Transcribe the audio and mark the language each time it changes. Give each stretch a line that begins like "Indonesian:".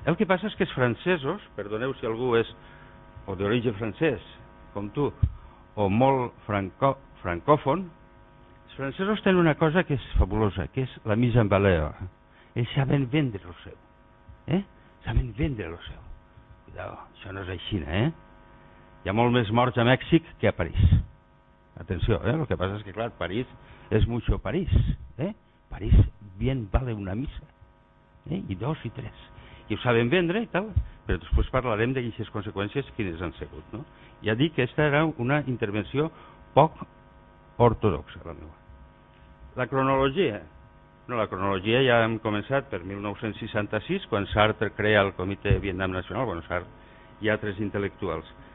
Catalan: El que passa és que els francesos, perdoneu si algú és o d'origen francès, com tu, o molt francòfon, els francesos tenen una cosa que és fabulosa, que és la mise en valeur. Ells saben vendre el seu. Saben vendre el seu. Cuidado, això no és així, Hi ha molt més morts a Mèxic que a París. Atenció, el que passa és que, clar, París és mucho París.
Spanish: París bien vale una missa.
Catalan: I dos i tres. I ho saben vendre i tal, però després parlarem d'aquestes conseqüències quines han sigut, no? Ja dic que aquesta era una intervenció poc ortodoxa, la meva. La cronologia. No, la cronologia ja hem començat per 1966, quan Sartre crea el Comitè Vietnam Nacional, bueno, Sartre i altres intel·lectuals.